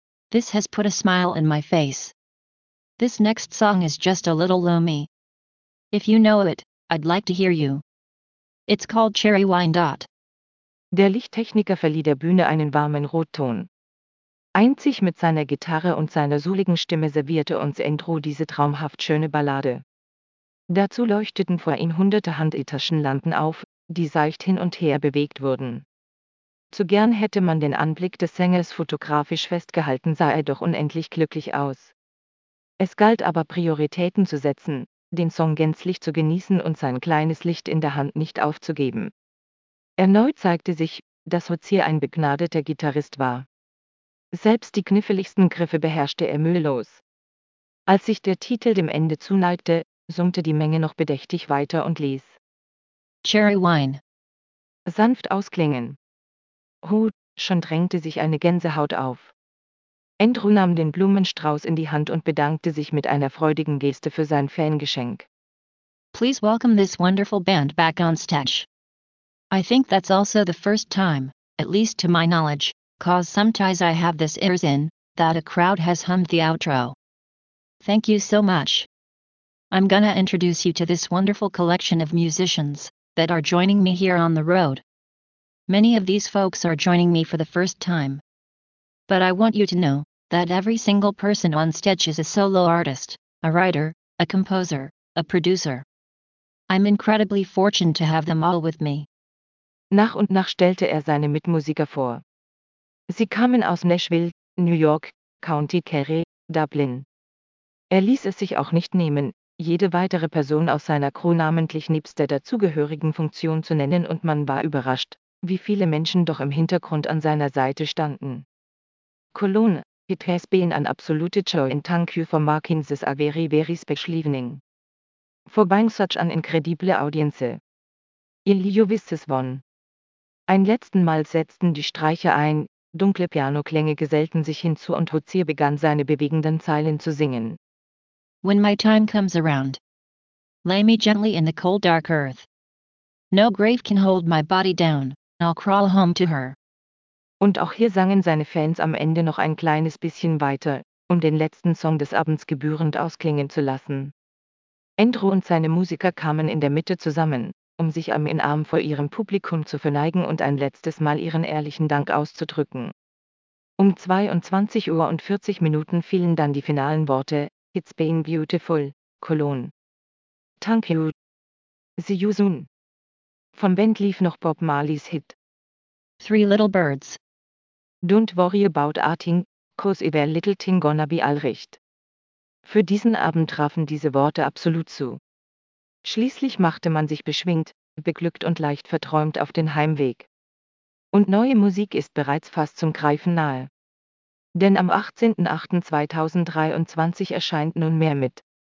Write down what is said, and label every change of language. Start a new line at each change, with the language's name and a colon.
English: This has put a smile in my face. This next song is just a little loamy. If you know it, I'd like to hear you. It's called Cherry Wine Dot.
German: Der Lichttechniker verlieh der Bühne einen warmen Rotton. Einzig mit seiner Gitarre und seiner souligen Stimme servierte uns Endro diese traumhaft schöne Ballade. Dazu leuchteten vor ihm hunderte Handtaschenlampen auf, die seicht hin und her bewegt wurden. Zu gern hätte man den Anblick des Sängers fotografisch festgehalten, sah er doch unendlich glücklich aus. Es galt aber Prioritäten zu setzen, den Song gänzlich zu genießen und sein kleines Licht in der Hand nicht aufzugeben. Erneut zeigte sich, dass Hozier ein begnadeter Gitarrist war. Selbst die kniffligsten Griffe beherrschte er mühelos. Als sich der Titel dem Ende zuneigte, summte die Menge noch bedächtig weiter und ließ
English: Cherry Wine
German: sanft ausklingen. Schon drängte sich eine Gänsehaut auf. Andrew nahm den Blumenstrauß in die Hand und bedankte sich mit einer freudigen Geste für sein Fangeschenk.
English: Please welcome this wonderful band back on stage. I think that's also the first time, at least to my knowledge, cause sometimes I have this ears in, that a crowd has hummed the outro. Thank you so much. I'm gonna introduce you to this wonderful collection of musicians that are joining me here on the road. Many of these folks are joining me for the first time. But I want you to know that every single person on stage is a solo artist, a writer, a composer, a producer. I'm incredibly fortunate to have them all with me.
German: Nach und nach stellte er seine Mitmusiker vor. Sie kamen aus Nashville, New York, County Kerry, Dublin. Er ließ es sich auch nicht nehmen, jede weitere Person aus seiner Crew namentlich nebst der dazugehörigen Funktion zu nennen, und man war überrascht, wie viele Menschen doch im Hintergrund an seiner Seite standen.
English: Cologne, it has been an absolute joy and thank you for making this a very very special evening. For being such an incredible audience. Ilio Visses won.
German: Ein letzten Mal setzten die Streicher ein, dunkle Pianoklänge gesellten sich hinzu und Hozier begann seine bewegenden Zeilen zu singen.
English: When my time comes around, lay me gently in the cold dark earth. No grave can hold my body down, I'll crawl home to her.
German: Und auch hier sangen seine Fans am Ende noch ein kleines bisschen weiter, um den letzten Song des Abends gebührend ausklingen zu lassen. Andrew und seine Musiker kamen in der Mitte zusammen, um sich Arm in Arm vor ihrem Publikum zu verneigen und ein letztes Mal ihren ehrlichen Dank auszudrücken. Um 22:40 fielen dann die finalen Worte,
English: It's been beautiful, Cologne. Thank you. See you soon.
German: Vom Band lief noch Bob Marleys Hit.
English: Three little birds. Don't worry about a thing, cause every little thing gonna be alright.
German: Für diesen Abend trafen diese Worte absolut zu. Schließlich machte man sich beschwingt, beglückt und leicht verträumt auf den Heimweg. Und neue Musik ist bereits fast zum Greifen nahe. Denn am 18.08.2023 erscheint nunmehr mit